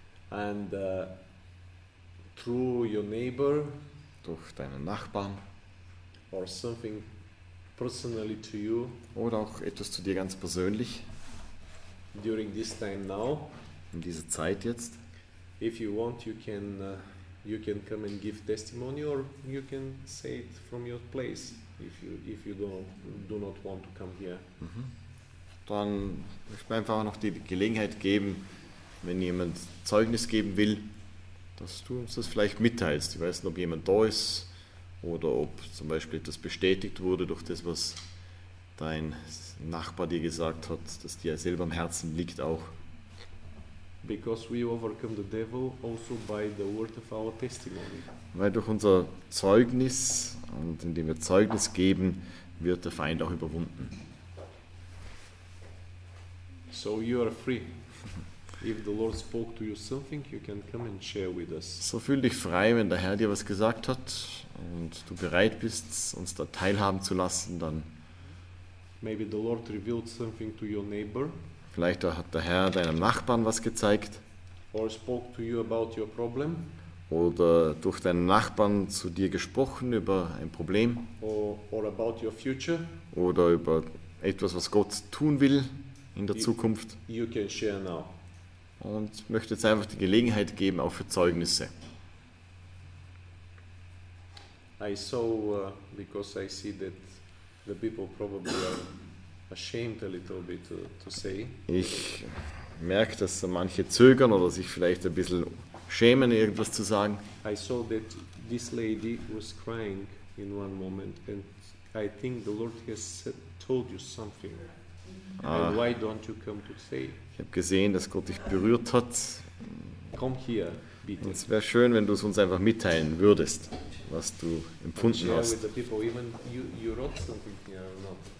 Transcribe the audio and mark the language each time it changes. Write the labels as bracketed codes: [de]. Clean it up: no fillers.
[en] and through your neighbor, [de] durch deinen Nachbarn, [en] or something personally to you, [de] oder auch etwas zu dir ganz persönlich, [en] during this time now, [de] in dieser Zeit jetzt, [en] if you want, you can you can come and give testimony, or you can say it from your place if you do not want to come here. Mhm. [de] Dann möchte ich einfach noch die Gelegenheit geben, wenn jemand Zeugnis geben will, dass du uns das vielleicht mitteilst. Ich weiß nicht, ob jemand da ist oder ob zum Beispiel das bestätigt wurde durch das, was dein Nachbar dir gesagt hat, dass dir selber am Herzen liegt auch. [en] Because we overcome the devil also by the word of our testimony. [de] Weil durch unser Zeugnis und indem wir Zeugnis geben, wird der Feind auch überwunden. [en] So you are free. If the Lord spoke to you something, you can come and share with us. [de] So fühl dich frei, wenn der Herr dir was gesagt hat und du bereit bist, uns da teilhaben zu lassen, dann. [en] Maybe the Lord revealed something to your neighbor. [de] Vielleicht hat der Herr deinem Nachbarn was gezeigt. [en] Or spoke to you about your problem. [de] Oder durch deinen Nachbarn zu dir gesprochen über ein Problem. [en] Or about your future. [de] Oder über etwas, was Gott tun will in der Zukunft. [en] You can share now. [de] Und möchte jetzt einfach die Gelegenheit geben, auch für Zeugnisse. [en] I saw, because I see that the people probably are ashamed a little bit to say. [de] Ich merke, dass manche zögern oder sich vielleicht ein bisschen schämen, irgendwas zu sagen. [en] I saw that this lady was crying in one moment, and I think the Lord has told you something. And why don't you come to say? [de] Ich habe gesehen, dass Gott dich berührt hat. Komm hier, bitte. Und es wäre schön, wenn du es uns einfach mitteilen würdest, was du empfunden hast. [en] With the people, even you wrote something here or not.